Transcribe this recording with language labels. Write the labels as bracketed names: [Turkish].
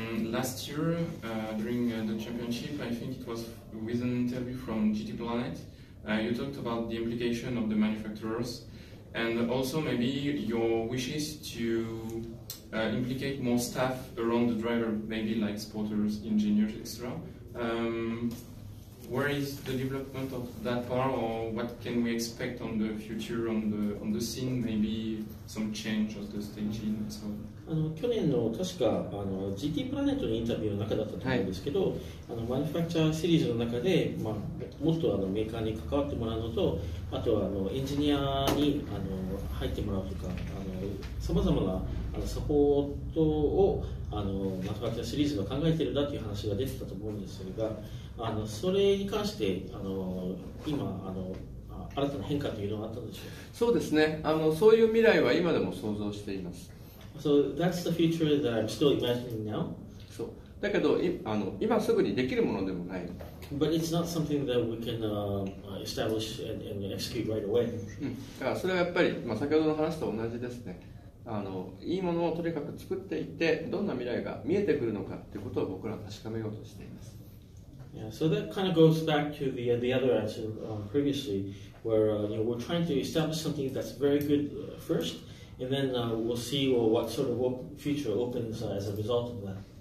[English] Last year, during the championship, I think it was with an interview from GT Planet, you talked about the implication of the manufacturers and also maybe your wishes to implicate more staff around the driver, maybe like supporters, engineers, etc. where is the development of that part, or what can we expect on the future, on the scene, maybe some change of the staging and so on? [Japanese] GT プラネットのインタビューの中だったと思うんですけど、はい、マニファクチャーシリーズの中で、まあ、もっとメーカーに関わってもらうのと、あとはエンジニアに入ってもらうとか、さまざまなサポートをマニファクチャーシリーズが考えているだという話が出てたと思うんですが、それに関して今新たな変化というのはあったんでしょうか？そうですね、そういう未来は今でも想像しています。 [English] So that's the future that I'm still imagining now. [Japanese] そう。だけど、今すぐにできるものでもない。 [English] But it's not something that we can establish and execute right away. [Japanese] だからそれはやっぱり、まあ、先ほどの話と同じですね。いいものをとにかく作っていって、どんな未来が見えてくるのかということを僕らは確かめようとしています。 [English] Yeah, so that kind of goes back to the other answer previously, where we're trying to establish something that's very good first. And then we'll see what sort of future opens as a result of that.